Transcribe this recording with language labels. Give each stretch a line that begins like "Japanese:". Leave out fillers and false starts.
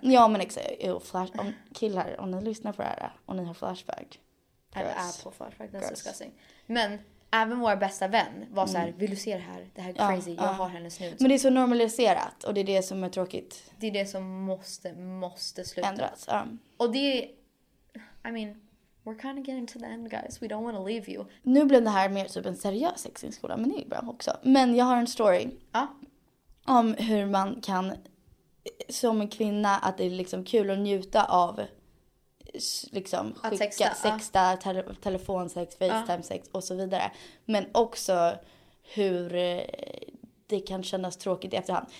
Swedish: Ja men exakt, om killar, om ni lyssnar på det här och ni har Flashback. Eller är på Flashback,
English: that's disgusting.
Swedish: Men... även vår bästa vän var så här, vill du se det här crazy, jag har hennes nudes. Men det är så normaliserat och det är det som är tråkigt. Det är det som måste sluta. Ändras, Och det är,
English: I mean, we're kind of getting to the end guys, we don't want to leave you.
Swedish: Nu blev det här mer typ en seriös sexinskola, men det är bra också. Men jag har en story om hur man kan, som en kvinna, att det är liksom kul att njuta av... liksom skicka, att sexta telefonsex, FaceTime sex och så vidare. Men också hur det kan kännas tråkigt i efterhand.